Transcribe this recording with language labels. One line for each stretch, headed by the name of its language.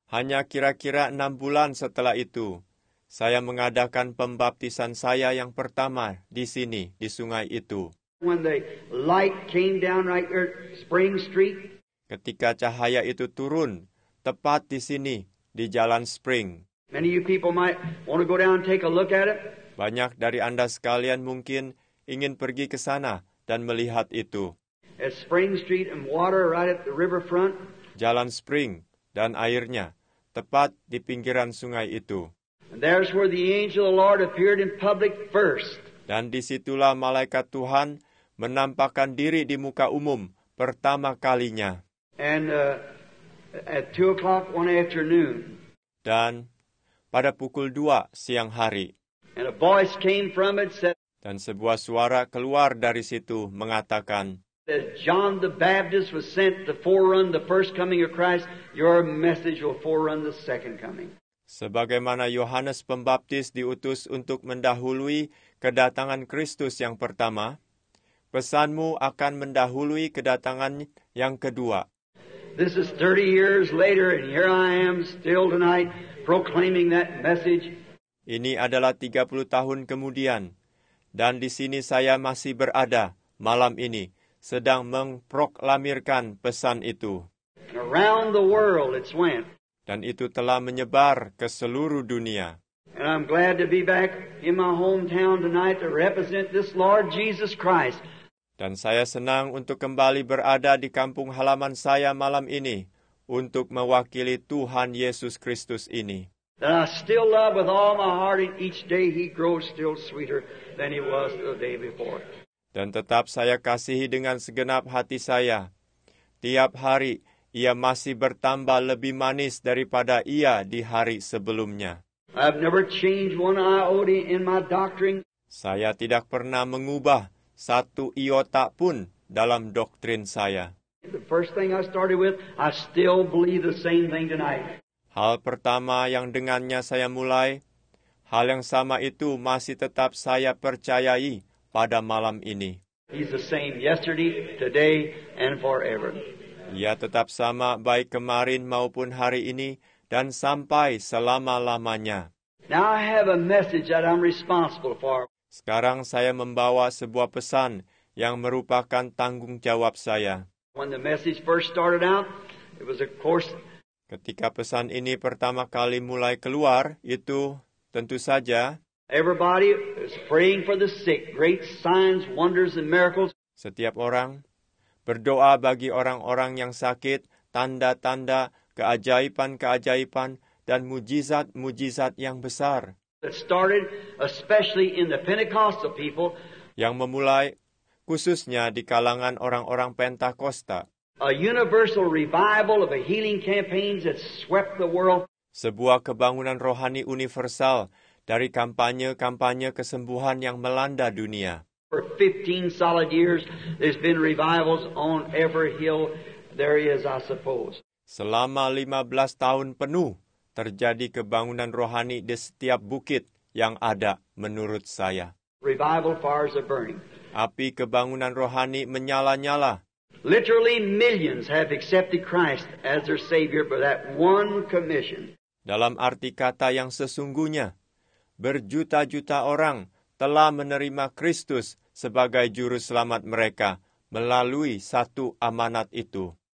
Indonesian: Hanya kira-kira 6 bulan setelah itu, saya mengadakan pembaptisan saya yang pertama di sini, di sungai itu.
English: When the light came down right at Spring Street.
Indonesian: Ketika cahaya itu turun, tepat di sini, di Jalan Spring.
English: Many of you people might want to go down and take a look at it.
Indonesian: Banyak dari Anda sekalian mungkin ingin pergi ke sana dan melihat itu.
English: At Spring Street and water right at the riverfront.
Indonesian: Jalan Spring dan airnya, tepat di pinggiran sungai itu.
English: And there's where the angel of the Lord appeared in public first.
Indonesian: Dan disitulah malaikat Tuhan menampakkan diri di muka umum pertama kalinya.
English: And at 2 o'clock one afternoon.
Indonesian: Dan pada pukul 2 siang hari.
English: And a voice came from it, said.
Indonesian: Dan sebuah suara keluar dari situ mengatakan.
English: As John the Baptist was sent to forerun the first coming of Christ, your message will forerun the second coming.
Indonesian: Sebagaimana Yohanes Pembaptis diutus untuk mendahului kedatangan Kristus yang pertama, pesanmu akan mendahului kedatangan yang kedua.
English: This is 30 years later and here I am still tonight proclaiming that message.
Indonesian: Ini adalah 30 tahun kemudian dan di sini saya masih berada malam ini sedang memproklamirkan pesan itu.
English: And around the world it's went.
Indonesian: Dan itu telah menyebar ke seluruh dunia.
English: And I'm glad to be back in my hometown tonight to represent this Lord Jesus Christ.
Indonesian: Dan saya senang untuk kembali berada di kampung halaman saya malam ini untuk mewakili Tuhan Yesus Kristus ini.
English: That I still love with all my heart, and each day He grows still sweeter than He was the day before.
Indonesian: Dan tetap saya kasihi dengan segenap hati saya. Tiap hari Ia masih bertambah lebih manis daripada Ia di hari sebelumnya.
English: I've never changed one iota in my doctrine.
Indonesian: Saya tidak pernah mengubah satu iota pun dalam doktrin saya.
English: The first thing I started with, I still believe the same thing tonight.
Indonesian: Hal pertama yang dengannya saya mulai, hal yang sama itu masih tetap saya percayai pada malam ini.
English: He's the same yesterday, today, and forever.
Indonesian: Ia tetap sama baik kemarin maupun hari ini dan sampai selama-lamanya.
English: Now I have a message that I'm responsible for.
Indonesian: Sekarang saya membawa sebuah pesan yang merupakan tanggung jawab saya.
English: When the message first started out, it was of course.
Indonesian: Ketika pesan ini pertama kali mulai keluar, itu Tentu saja.
English: Everybody is praying for the sick, great signs, wonders and miracles.
Indonesian: Setiap orang berdoa bagi orang-orang yang sakit, tanda-tanda, keajaiban-keajaiban dan mujizat-mujizat yang besar.
English: It started especially in the Pentecostal people.
Indonesian: Yang memulai khususnya di kalangan orang-orang Pentakosta.
English: A universal revival of a healing campaign that swept the world.
Indonesian: Sebuah kebangunan rohani universal dari kampanye-kampanye kesembuhan yang melanda dunia.
English: For 15 solid years there's been revivals on every hill there is, I suppose.
Indonesian: Selama 15 tahun penuh terjadi kebangunan rohani di setiap bukit yang ada menurut saya.
English: Revival fires are burning.
Indonesian: Api kebangunan rohani menyala-nyala.
English: Literally millions have accepted Christ as their savior for that one commission.
Indonesian: Dalam arti kata yang sesungguhnya, berjuta-juta orang telah menerima Kristus sebagai juru selamat mereka melalui satu amanat itu.